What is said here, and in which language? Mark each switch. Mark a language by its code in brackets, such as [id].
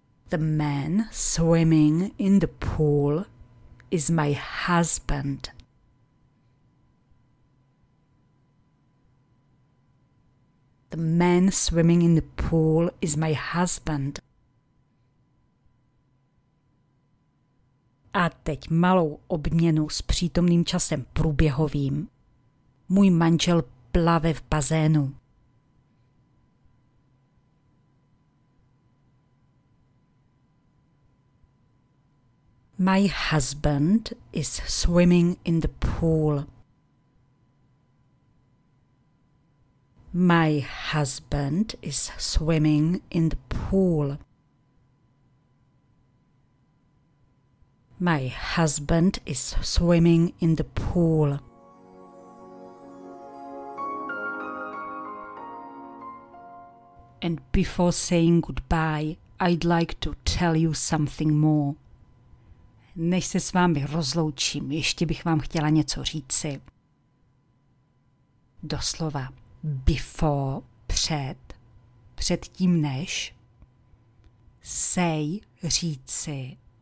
[en] The man swimming in the pool is my husband. The man swimming in the pool is my husband. [cs] A teď malou obměnu s přítomným časem průběhovým. Můj manžel plave v bazénu. [en] My husband is swimming in the pool. My husband is swimming in the pool. My husband is swimming in the pool. And before saying goodbye, I'd like to tell you something more. [cs] Než se s vámi rozloučím, ještě bych vám chtěla něco říci. Doslova before, před, předtím než, say, říci,